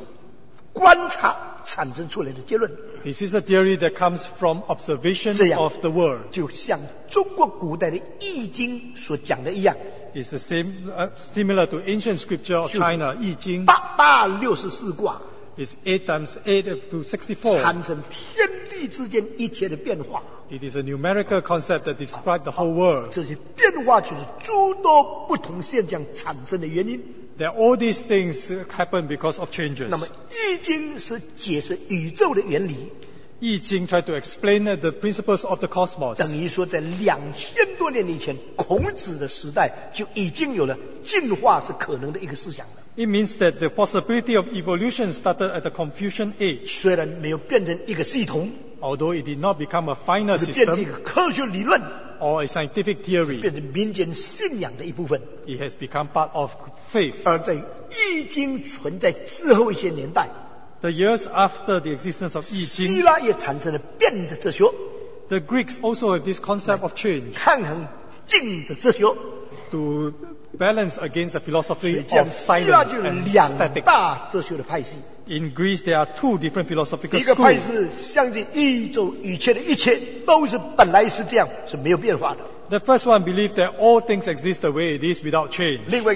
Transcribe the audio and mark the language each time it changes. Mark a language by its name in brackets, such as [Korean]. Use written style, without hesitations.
[Chinese] 是从现象界研讨观察产生出来的结论。 [English] This is a theory that comes from observation of the world. [Chinese] 就像中国古代的易经所讲的一样。 [English] It's the same, similar to ancient scripture of China, 易经。 [Chinese] 八八六十四卦。 [English] It's 8 times 8 to 64. [Chinese] 产生天地之间一切的变化。 [English] It is a numerical concept that describes the whole world. [Chinese] 这些变化就是诸多不同现象产生的原因。 [English] That all these things happen because of changes. [Chinese] 那么易经是解释宇宙的原理。 [English] 易经 try to explain the principles of the cosmos. [Chinese] 等于说在2000多年以前， 孔子的时代就已经有了进化是可能的一个思想。 [English] It means that the possibility of evolution started at the Confucian age. [Chinese] 虽然没有变成一个系统, [English] although it did not become a final system, [Chinese] 变成一个科学理论, [English] or a scientific theory, [Chinese] 变成民间信仰的一部分, [English] it has become part of faith. [Chinese] 而在易经存在之后一些年代, [English] the years after the existence of 易经, [Chinese] 希腊也产生了变的哲学, [English] the Greeks also have this concept of change. [Chinese] 抗衡静的哲学, [English] to balance against the philosophy of silence and static. In Greece, there are two different philosophical schools. The first one believed that all things exist the way it is without change.